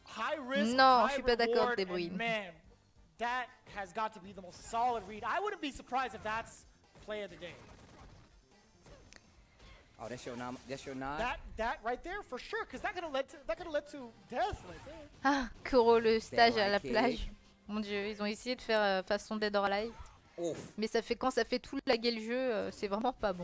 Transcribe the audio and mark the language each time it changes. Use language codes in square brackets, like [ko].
[fr] High risk, non, high je suis pas d'accord, Debruyne. [en] Man, that has got to be the most solid read. I wouldn't be surprised if that's play of the day. Oh, that's your nom. That's your nod. That right there for sure, because that could have led to death. [fr] Ah, Kuro, le stage à la plage. Mon Dieu, ils ont essayé de faire façon Dead or Alive. Ouf. Mais ça fait quand ça fait tout laguer le jeu, c'est vraiment pas bon.